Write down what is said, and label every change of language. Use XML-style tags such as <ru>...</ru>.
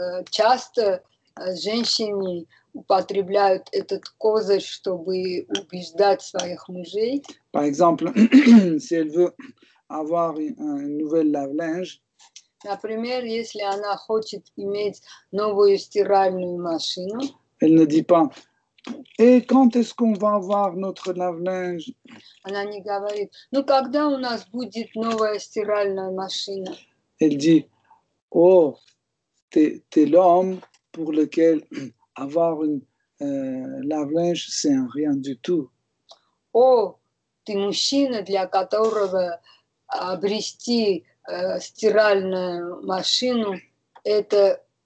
<ru>Часто женщины употребляют этот козырь, чтобы убеждать своих мужей.</ru> <fr>Par exemple, si elle veut avoir une nouvelle lave-linge.</fr> <ru>Например, если она хочет иметь новую стиральную машину.</ru> <fr>Elle ne dit pas, et quand est-ce qu'on va avoir notre lave-linge?</fr> <ru>Она не говорит, ну когда у нас будет новая стиральная машина?</ru> <fr>Elle dit, oh, t'es l'homme pour lequel avoir une lave-linge, c'est un rien du tout.</fr> <ru>Oh, ты мужчина, для которого обрести стиральную машину, это</ru>